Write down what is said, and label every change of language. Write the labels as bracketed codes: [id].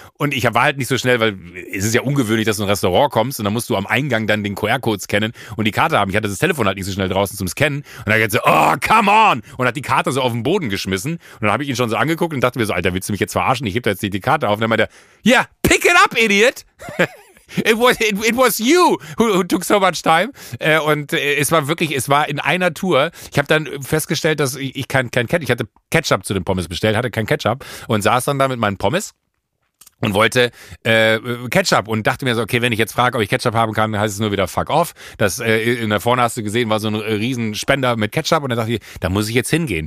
[de] Und ich war halt nicht so schnell, weil es ist ja ungewöhnlich, dass du in ein Restaurant kommst und dann musst du am Eingang dann den QR-Code scannen und die Karte haben. Ich hatte das Telefon halt nicht so schnell draußen zum Scannen. Und dann hat er so, [en] oh, come on! [de] Und hat die Karte so auf den Boden geschmissen. Und dann habe ich ihn schon so angeguckt und dachte mir so, Alter, willst du mich jetzt verarschen? Ich heb da jetzt nicht die Karte auf. Und dann meinte er, [en] yeah, pick it up, idiot! It was you who took so much time. [de] Und es war wirklich, es war in einer Tour. Ich habe dann festgestellt, dass ich kein Ketchup, ich hatte Ketchup zu den Pommes bestellt, hatte kein Ketchup und saß dann da mit meinen Pommes. und wollte Ketchup und dachte mir so, okay, wenn ich jetzt frage, ob ich Ketchup haben kann, dann heißt es nur wieder [en] fuck off. [de] Das in der vorne hast du gesehen, war so ein riesen Spender mit Ketchup und dann dachte ich, da muss ich jetzt hingehen.